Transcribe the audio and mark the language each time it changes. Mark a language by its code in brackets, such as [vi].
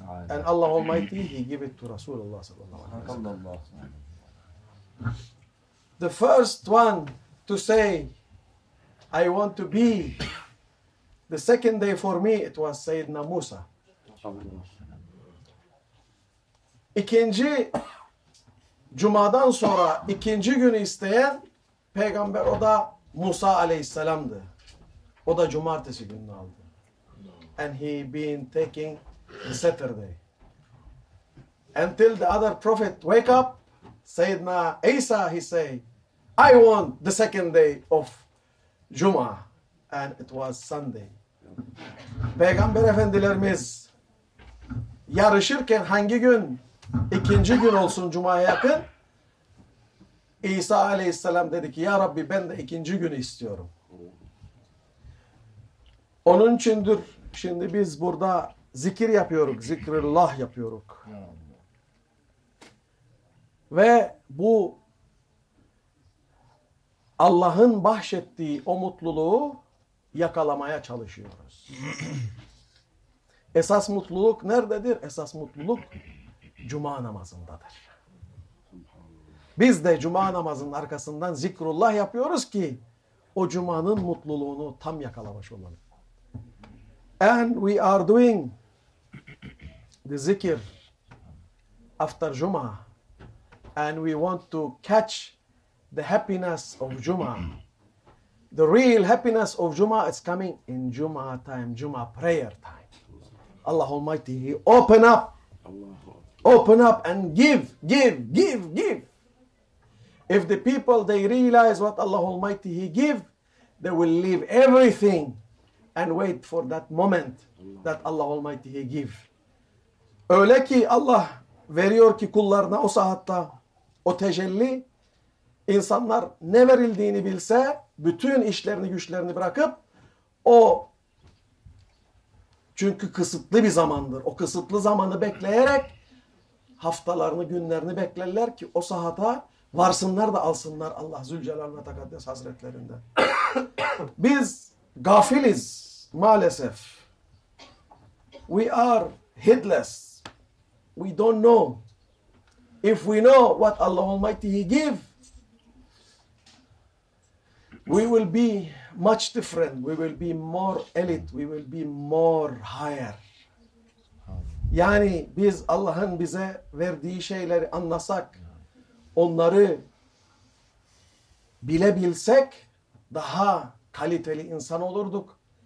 [en] And Allah Almighty, He gave it to Rasulullah sallallahu aleyhi ve sellem. The first one to say, I want to be, the second day for me, it was Sayyidina Musa. [tr] İkinci Cuma'dan sonra ikinci günü isteyen peygamber, o da Musa aleyhisselamdı. O da cumartesi gününü aldı. [en] And he been taking the Saturday. Until the other prophet wake up, Sayyidina Isa, he say, I want the second day of Juma. And it was Sunday. [tr] Peygamber efendilerimiz yarışırken hangi gün ikinci gün olsun Cuma'ya yakın, İsa aleyhisselam dedi ki, ya Rabbi, ben de ikinci günü istiyorum. Onun içindir şimdi biz burada zikir yapıyoruz, zikrullah yapıyoruz. Ve bu Allah'ın bahşettiği o mutluluğu yakalamaya çalışıyoruz. Esas mutluluk nerededir? Esas mutluluk Cuma namazındadır. Biz de Cuma namazının arkasından zikrullah yapıyoruz ki o Cuma'nın mutluluğunu tam yakalamış olalım. [en] And we are doing the zikr after Juma. And we want to catch the happiness of Juma. The real happiness of Juma is coming in Juma time, Juma prayer time. Allah Almighty, open up. Open up and give, give, give, give. If the people, they realize what Allah Almighty, He give, they will leave everything and wait for that moment that Allah Almighty, He give. [tr] Öyle ki Allah veriyor ki kullarına o saatte o tecelli, insanlar ne verildiğini bilse, bütün işlerini, güçlerini bırakıp o, çünkü kısıtlı bir zamandır. O kısıtlı zamanı bekleyerek haftalarını, günlerini beklerler ki o sahata varsınlar da alsınlar Allah Zülcelal ve Tekaddes Hazretlerinden. Biz gafiliz maalesef. [en] We are heedless. We don't know. If we know what Allah Almighty He give, we will be much different. We will be more elite. We will be more higher. [tr] Yani biz Allah'ın bize verdiği şeyleri anlasak, onları bilebilsek daha kaliteli insan olurduk.